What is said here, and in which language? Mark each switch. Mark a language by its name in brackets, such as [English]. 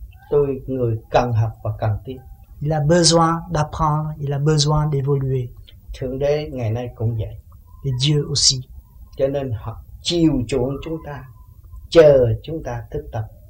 [Vietnamese] Tôi người cần học và cần tiếp. [French] Il a besoin d'apprendre, il a besoin d'évoluer. [Vietnamese] Thượng đế ngày nay cũng vậy. [French] Et Dieu aussi. [Vietnamese] Cho nên học chiều chuộng chúng ta, chờ chúng ta thức tập.